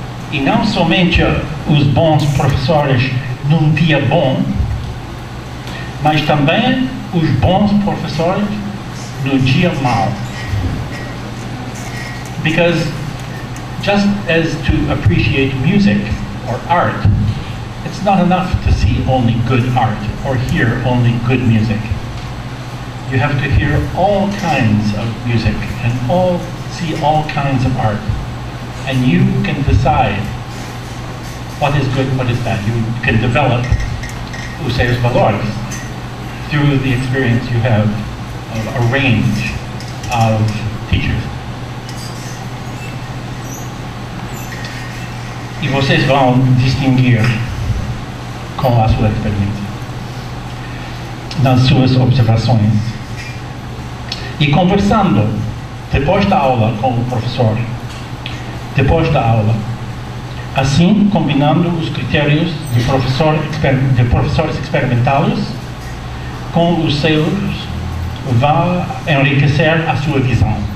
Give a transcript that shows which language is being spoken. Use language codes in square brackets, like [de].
[pt] E não somente os bons professores num dia bom, mas também os bons professores no dia mau. [en] Because just as to appreciate music or art, it's not enough to see only good art or hear only good music. You have to hear all kinds of music and see all kinds of art. And you can decide what is good, what is bad. You can develop [pt] os seus valores [en] through the experience you have of a range of teachers. [pt] E vocês vão distinguir com a sua experiência, nas suas observações. E conversando depois da aula com o professor, depois da aula, assim combinando os critérios de professores experimentais com os seus, vá enriquecer a sua visão.